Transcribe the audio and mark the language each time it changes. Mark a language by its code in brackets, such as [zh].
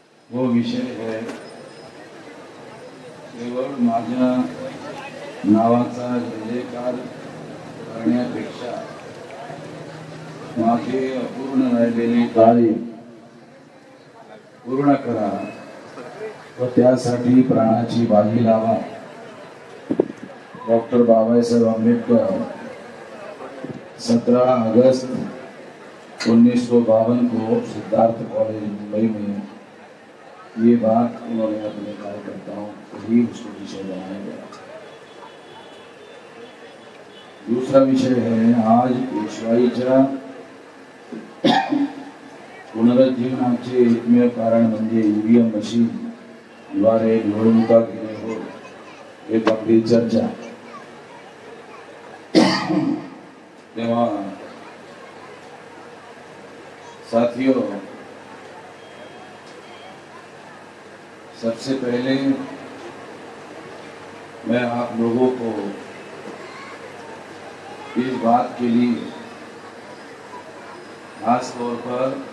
[hi] वो विषय है [mr] केवल माझ्या नावाचा जयकार करण्यापेक्षा माझे अपूर्ण राहिलेले कार्य पूर्ण करा व त्यासाठी प्राणाची बाजी लावा. [hi] डॉक्टर बाबासाहेब आंबेडकर 17 अगस्त 1952 को सिद्धार्थ कॉलेज मुंबई में ये बात उन्होंने अपने कार्यकर्ताओं को ही उसको विषय बनाया गया. दूसरा विषय है [mr] आज पेशवाईच्या पुनरुज्जीवनाचे एकमेव कारण म्हणजे ईव्हीएम मशीन द्वारे निवडणुका घेणे हो एक आपली चर्चा. [hi] तेव्हा साथियों सबसे पहले मैं आप लोगों को इस बात के लिए खास तौर पर